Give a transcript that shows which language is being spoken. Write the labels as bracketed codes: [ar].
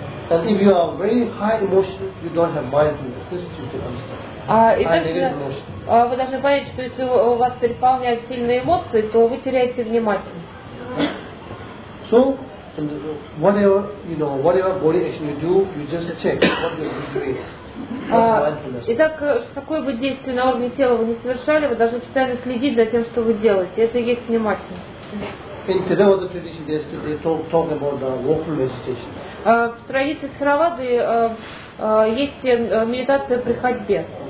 [en] And if you are very high emotion, you don't have mindfulness. This you can understand. [ru] Вы должны понять, что если у вас переполняют сильные эмоции, то вы теряете внимательность. [en] So, and whatever, you know, whatever body action you do, you just check what you're doing. [ru] Итак, какое бы действие на уровне тела вы не совершали, вы должны постоянно следить за тем, что вы делаете. Это и есть внимательность. [en] In Theravada tradition, they talk about the vocal meditation. [ru] В традиции Саравады есть медитация при ходьбе.